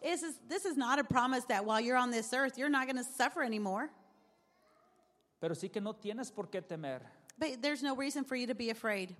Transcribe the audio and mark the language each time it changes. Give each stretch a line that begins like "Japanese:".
English: This is not a promise that while you're on this earth you're not going to suffer anymore.
Spanish: Pero sí que no tienes por qué temer.
English: But there's no reason for you to be afraid.